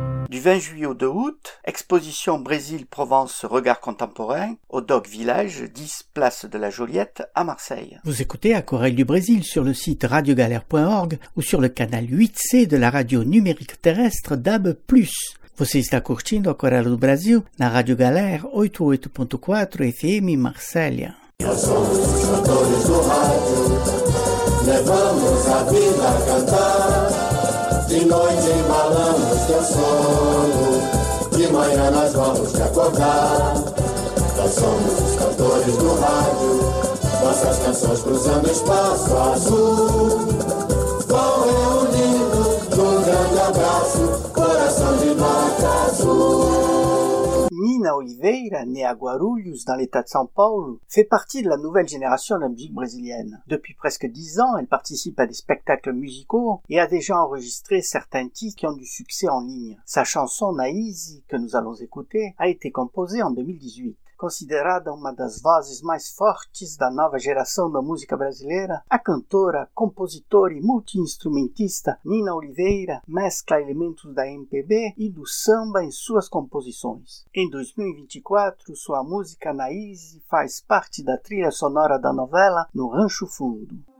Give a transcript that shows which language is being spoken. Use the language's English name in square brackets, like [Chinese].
[French] 20 juillet au 2 août, exposition Brésil-Provence Regard Contemporain au Dog Village, 10 place de la Joliette à Marseille. Vous écoutez Aquarelle du Brésil sur le site radiogalère.org ou sur le canal 8C de la radio numérique terrestre DAB+. [Portuguese] Você está curtindo Aquarelle do Brasil na Rádio Galère 88.4 FM Marselha. Levamos a vida a cantar, de noite embalamos teu sono, de manhã nós vamos te acordar. Nós somos os cantores do rádio, nossas canções cruzando espaço azul. Vão reunindo num grande abraço, coração de vaca azul. [French] Nina Oliveira, née à Guarulhos, dans l'état de São Paulo, fait partie de la nouvelle génération de la musique brésilienne. Depuis presque 10 ans, elle participe à des spectacles musicaux et a déjà enregistré certains titres qui ont du succès en ligne. Sa chanson Naisi, que nous allons écouter, a été composée en 2018. [Portuguese] Considerada uma das vozes mais fortes da nova geração da música brasileira, a cantora, compositora e multi-instrumentista Nina Oliveira mescla elementos da MPB e do samba em suas composições. Em 2024, sua música Naíse faz parte da trilha sonora da novela No Rancho Fundo.